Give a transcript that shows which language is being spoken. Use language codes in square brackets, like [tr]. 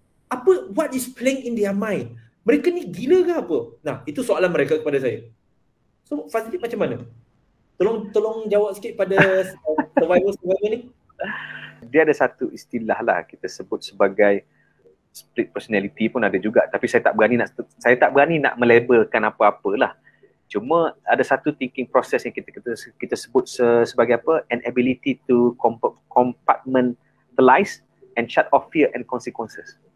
[en] Apa, what is playing in their mind? [ms] Mereka ni gila ke apa? Nah, itu soalan mereka kepada saya. So, Fazli macam mana? Tolong tolong jawab sikit pada survivor-survivor ni. Dia ada satu istilah lah, kita sebut sebagai split personality pun ada juga. Tapi saya tak berani nak, saya tak berani nak melabelkan apa-apalah. Cuma ada satu thinking process yang kita sebut sebagai apa? [en] An ability to compartmentalize and shut off fear and consequences.